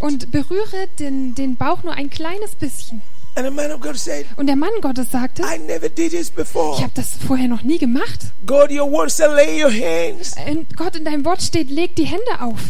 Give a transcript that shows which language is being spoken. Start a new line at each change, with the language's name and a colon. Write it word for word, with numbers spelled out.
German: und berühre den, den Bauch nur ein kleines bisschen.
English: And a man of God said,
German: Und der Mann Gottes sagte,
English: "I never did this before."
German: ich hab das vorher noch nie gemacht.
English: God, your word says, "Lay your hands."
German: In, Gott, in deinem Wort steht, leg die Hände auf.